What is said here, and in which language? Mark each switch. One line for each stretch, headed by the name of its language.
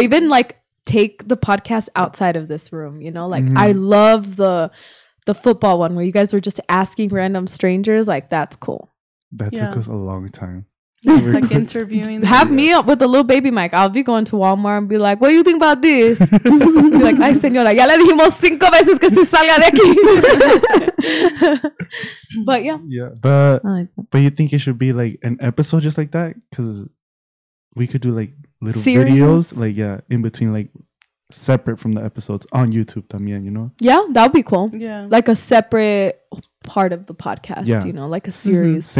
English: Or even like take the podcast outside of this room, you know? Like I love the football one where you guys were just asking random strangers. Like, that's cool. That took us a long time. Yeah, like interviewing them. Have me up with a little baby mic. I'll be going to Walmart and be like, what do you think about this?
Spanish: Be like, ay señora, ya le dijimos cinco veces que se salga de aquí.
English: But yeah. Yeah, but you think it should be like an episode just like that? Because we could do like little videos. Like, yeah, in between, like separate from the episodes on YouTube
Spanish: también,
English: you know? Yeah, that would be cool. Yeah. Like a separate part of the podcast, yeah. You know, like a series. Mm-hmm.